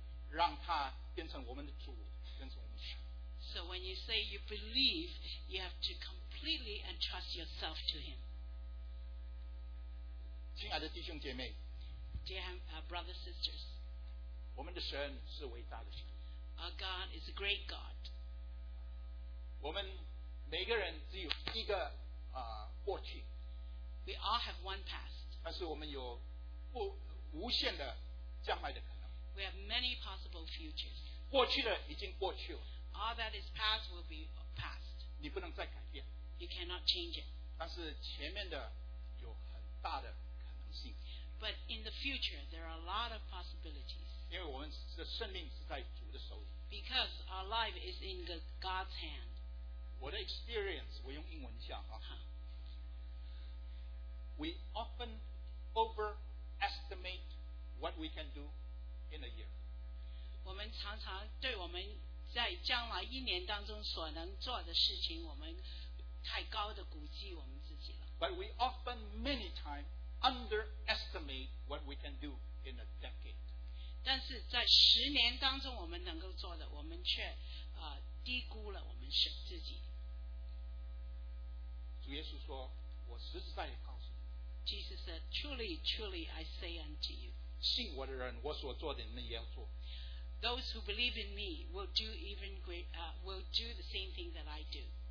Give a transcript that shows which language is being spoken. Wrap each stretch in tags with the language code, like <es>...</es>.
<zh>让他变成我们的主，变成我们的神。</zh> <en>So when you say you believe, you have to completely entrust yourself to him.</en> <zh>亲爱的弟兄姐妹</zh> <en>，Dear brothers sisters，</en> <zh>我们的神是伟大的神。</zh> <en>Our God is a great God.</en> <zh>我们每个人只有一个过去。</zh> <en>We all have one past.</en> <zh>但是我们有无限的将来的。</zh> <en>We have many possible futures.</en> <zh>过去的已经过去了。</zh> <en>All that is past will be past.</en> <zh>你不能再改变。</zh> <en>You cannot change it.</en> <zh>但是前面的有很大的可能性。</zh> <en>But in the future, there are a lot of possibilities. Because our life is in God's hand.</en> <zh>我的 experience, 我用英文讲啊。</zh> <en>We often overestimate what we can do in a year.</en> <zh>我们常常对我们在将来一年当中所能做的事情，我们太高的估计我们自己了。</zh> <en>But we often many times underestimate what we can do in a decade.</en> <zh>但是在十年当中我们能够做的，我们却低估了我们自己。主耶稣说，我实实在在告诉你。</zh> <en>Jesus said, truly, truly, I say unto you.</en> <zh>信我的人，我所做的你们也要做。</zh> <en>Those who believe in me will do even great, will do the same thing that I do.</en>